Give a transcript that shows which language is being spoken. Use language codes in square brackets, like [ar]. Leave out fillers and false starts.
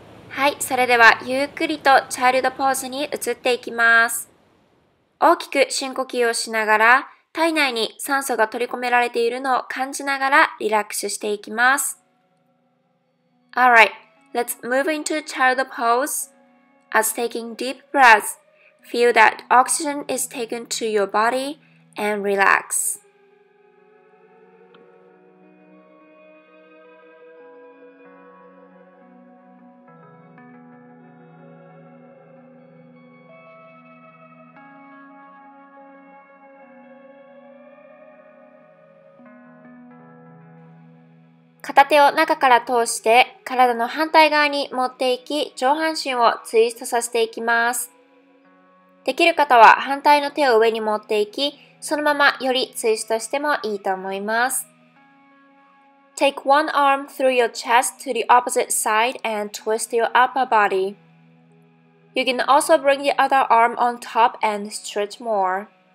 [ja] はい、それではゆっくりとチャイルドポーズに移っていきます。大きく深呼吸をしながら、体内に酸素が取り込められているのを感じながらリラックスしていきます。 [en] Alright, let's move into child pose. As taking deep breaths, feel that oxygen is taken to your body and relax. [ja] 手を中から通して体の反対側に持っていき、上半身をツイストさせていきます。できる方は反対の手を上に持っていき、そのままよりツイストしてもいいと思います。 [en] Take one arm through your chest to the opposite side and twist your upper body. You can also bring the other arm on top and stretch more.